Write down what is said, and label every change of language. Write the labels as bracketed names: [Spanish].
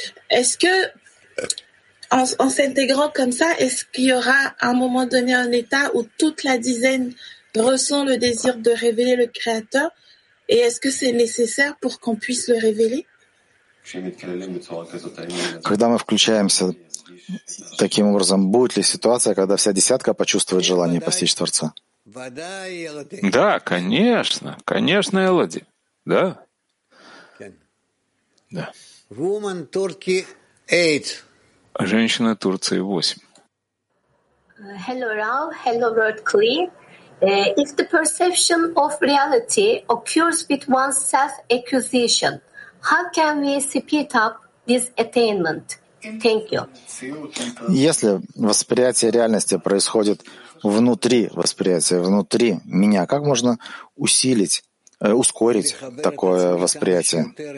[French] Est-ce que en s'intégrant comme ça, est-ce qu'il y aura un moment donné un état où toute la dizaine ressent le désir de révéler le Créateur, et est-ce que c'est nécessaire pour qu'on puisse le révéler? [Russian] Когда мы включаемся таким образом, будет ли ситуация, когда вся десятка почувствует желание постичь Творца? Да, конечно, конечно, Элоди, да. Да. Женщина Турции 8. [English] Hello, Rav. Hello, Lord Kli. If the perception of reality occurs with one's self-accusation, how can we speed up this attainment? Thank you. [Russian] Если восприятие реальности происходит внутри восприятия, внутри меня, как можно ускорить такое восприятие?